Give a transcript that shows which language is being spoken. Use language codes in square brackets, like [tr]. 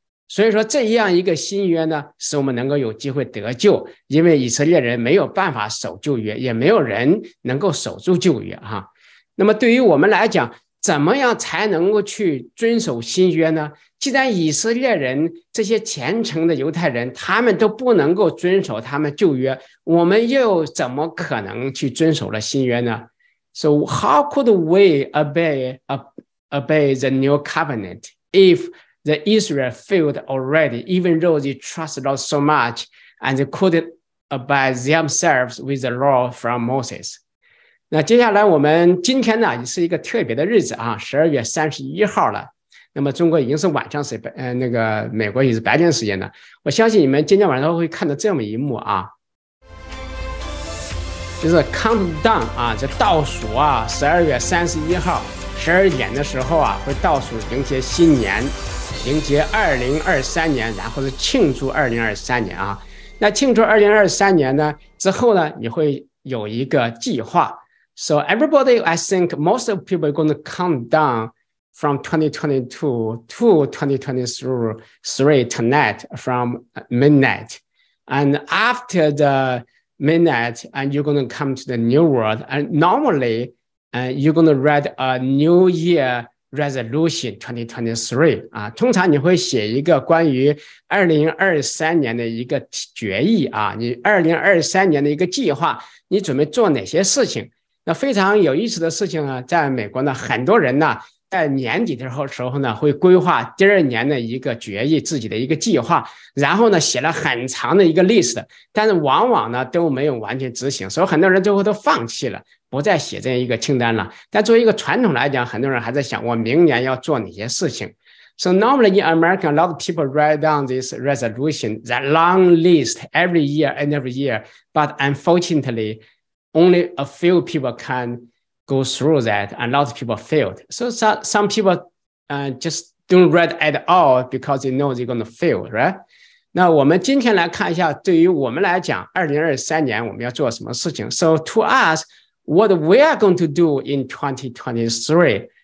[zh] 所以说这样一个新约呢，使我们能够有机会得救，因为以色列人没有办法守旧约，也没有人能够守住旧约哈。那么对于我们来讲，怎么样才能够去遵守新约呢？既然以色列人这些虔诚的犹太人他们都不能够遵守他们旧约，我们又怎么可能去遵守了新约呢？ [en] So how could we obey the new covenant if the Israel failed already, even though they trusted the Lord so much and they couldn't abide themselves with the law from Moses? [zh] 那接下来我们今天呢是一个特别的日子啊，12月31号了，那么中国已经是晚上时间，那个美国已经是白天时间了。我相信你们今天晚上会看到这么一幕啊，就是 countdown 啊，这倒数啊，12月31号12点的时候啊，会倒数迎接新年，迎接2023年，然后是庆祝2023年啊。那庆祝2023年呢之后呢，你会有一个计划。 [en] So everybody, I think most of people are going to countdown. From 2022 to 2023 tonight from midnight. And after the midnight, and you're going to come to the new world. And normally, you're going to write a new year resolution 2023. [zh] 啊，通常你会写一个关于2023年的一个决议啊，你2023年的一个计划，你准备做哪些事情。那非常有意思的事情呢，在美国呢，很多人呢在年底的时候呢会规划第二年的一个决议，自己的一个计划，然后呢写了很长的一个 list， 但是往往呢都没有完全执行，所以很多人最后都放弃了，不再写这样一个清单了。但作为一个传统来讲，很多人还在想我明年要做哪些事情。 [en] So normally in America, a lot of people write down this resolution, that long list every year and every year, but unfortunately only a few people canGo through that, and a lot of people failed. So some people just don't read at all because they know they're going to fail, right? [zh] 那我们今天来看一下，对于我们来讲2023年我们要做什么事情。 [en] So to us, what we are going to do in 2023.